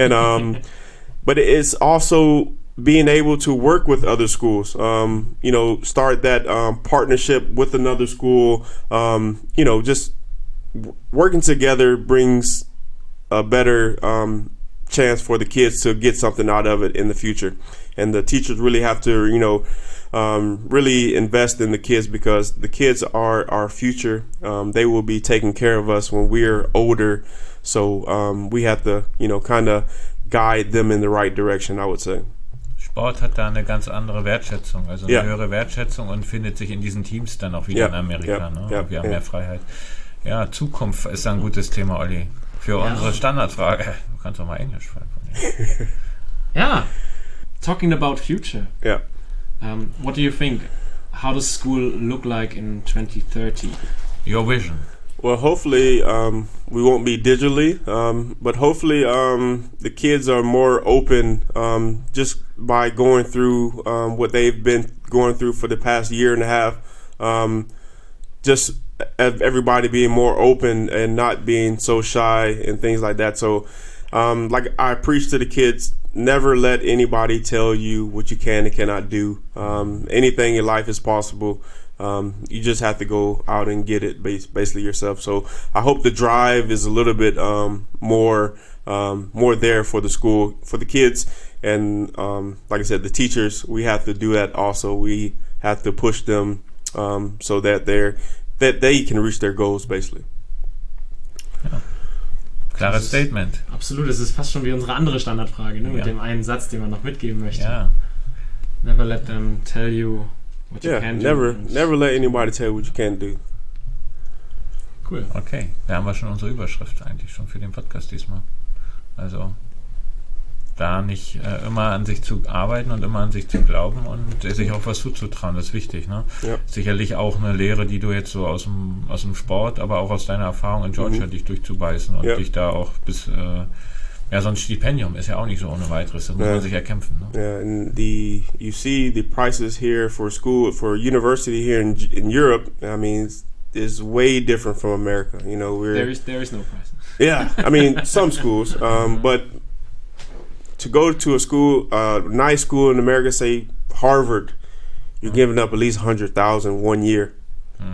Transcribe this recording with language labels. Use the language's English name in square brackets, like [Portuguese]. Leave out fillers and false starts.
[English] And but it's also being able to work with other schools, you know, start that partnership with another school, you know, just working together brings a better chance for the kids to get something out of it in the future. And the teachers really have to, you know, really invest in the kids, because the kids are our future. They will be taking care of us when we're older. So we have to, you know, kind of guide them in the right direction, I would say. [German] Sport hat da eine ganz andere Wertschätzung, also eine höhere Wertschätzung, und findet sich in diesen Teams dann auch wieder in Amerika. Yeah. Ne? Yeah. Wir haben mehr Freiheit. Ja, Zukunft ist ein gutes Thema, Olli, für unsere Standardfrage. Du kannst auch mal Englisch fragen. [English] Ja, talking about future. Yeah. What do you think? How does school look like in 2030? Your vision. Well, hopefully we won't be digitally, but hopefully the kids are more open just by going through what they've been going through for the past year and a half. Just everybody being more open and not being so shy and things like that. So like I preach to the kids, never let anybody tell you what you can and cannot do. Anything in life is possible. You just have to go out and get it basically yourself. So I hope the drive is a little bit more there for the school, for the kids. And like I said, the teachers, we have to do that also. We have to push them so that they can reach their goals, basically. [German] Ja. Klares Statement. Absolut, es ist fast schon wie unsere andere Standardfrage, ne? Mit dem einen Satz, den man noch mitgeben möchte. Ja. [English] Never let them tell you what you can never, do. Never let anybody tell you what you can do. Cool. [German] Okay, da haben wir schon unsere Überschrift eigentlich schon für den Podcast diesmal. Also, da nicht immer an sich zu arbeiten und immer an sich zu glauben und sich auch was zuzutrauen, das ist wichtig. Ne? Ja. Sicherlich auch eine Lehre, die du jetzt so aus dem Sport, aber auch aus deiner Erfahrung in Georgia dich durchzubeißen und dich da auch bis... so ein Stipendium ist ja auch nicht so ohne weiteres. Da muss man sich erkämpfen. Ne? [English] Yeah, and you see the prices here for school, for university here in Europe, I mean, it's way different from America. You know, there is no price. Yeah, I mean, some schools, but to go to a school, a nice school in America, say Harvard, you're giving up at least $100,000 one year. Mm-hmm.